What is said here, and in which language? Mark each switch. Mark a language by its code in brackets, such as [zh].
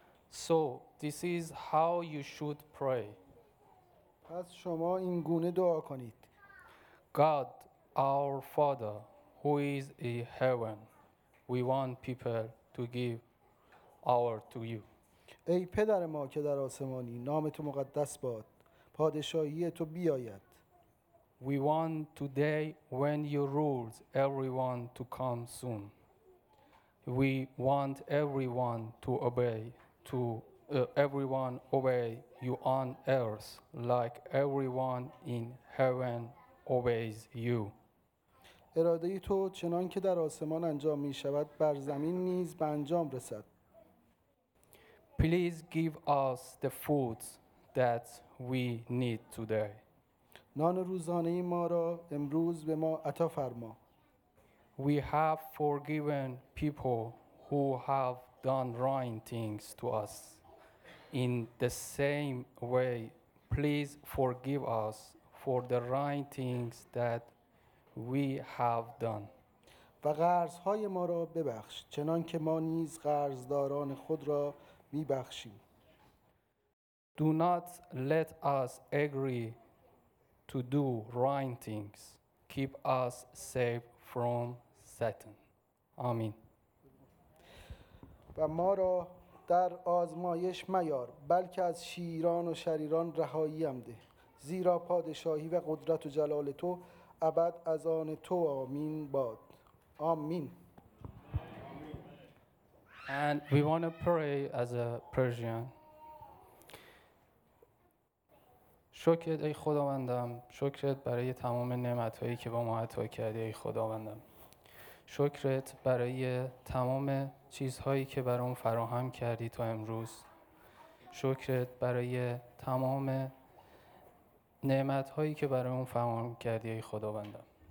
[en] So, this is how you should pray. [fa] پس شما این گونه دعا کنید. [en] God, our Father, who is in heaven, we want people to give our to you. [fa] ای پدر ما که در آسمانی، نام تو مقدس باد. پادشاهی تو بیاید. [en] We want today when you rule everyone to come soon. We want everyone to obey everyone obey you on earth like everyone in heaven obeys you. [fa] اراده تو چنان که در آسمان انجام می شود بر زمین نیز به انجام رسد. [en] Please give us the food that we need today. [fa] نان روزانه ما را امروز به ما عطا فرما. [en] We have forgiven people who have done wrong things to us. In the same way, please forgive us for the wrong things that we have done. [fa] و قرض‌های ما را ببخش چنان که ما نیز قرضداران خود را می‌بخشیم. [en] Do not let us agree to do wrong things. Keep us safe from Satan. Amen. [fa] و ما را در آزمایش میار، بلکه از شیران و شریران رهایی‌ام ده. زیرا پادشاهی و قدرت و جلال تو ابد از آن تو آمین باد. آمین. [en] And we want to pray as a Persian. [fa] شکرت ای خداوندم، شکرت برای تمام نعمت‌هایی که با ما عطا کردی ای خداوندم. شکرت برای تمام چیزهایی که برام فراهم کردی تا امروز. شکرت برای تمام نعمت‌هایی که برام فراهم کردی ای خداوندم.